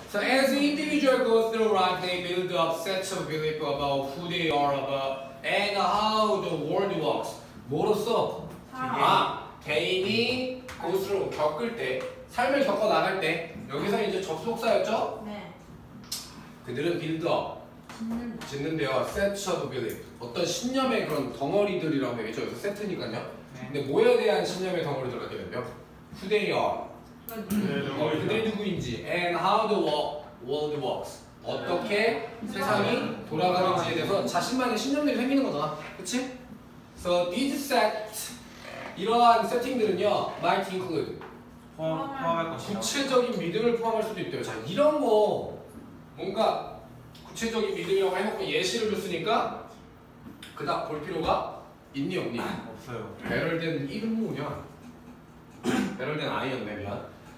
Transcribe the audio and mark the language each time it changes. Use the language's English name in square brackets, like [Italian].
[English] So as the individual go through life, they build up sets of belief about who they are about and how the world works. [Korean] 뭐로써? 아, 개인이 [English] go through, [Korean] 겪을 때, 삶을 겪어 나갈 때, 여기서 이제 접속사였죠? 네. [English] 그들은 build up. [Korean] 짓는 데요. [English] Sets of belief. [Korean] 어떤 신념의 그런 덩어리들이라고 해야겠죠? 여기서 세트니까요. 네. 근데 뭐에 대한 신념의 덩어리들을 하게 되면요? [English] Who they are. [Korean] 네, 그들이 누구인지. [English] And how the world works. [Korean] 어떻게 네. 세상이 네. 돌아가는지에 대해서 자신만의 신념들이 생기는 거잖아. 그치? [English] So these sets, [Korean] 이러한 세팅들은요. [English] Might include. [Korean] 포함할 것이다. 구체적인 믿음을 포함할 수도 있대요. 자, 이런 거 뭔가 구체적인 믿음이라고 해놓고 예시를 줬으니까 그닥 볼 필요가 있니 없니? 없어요. 배럴된 이름이냐? 배럴된 아이였네면.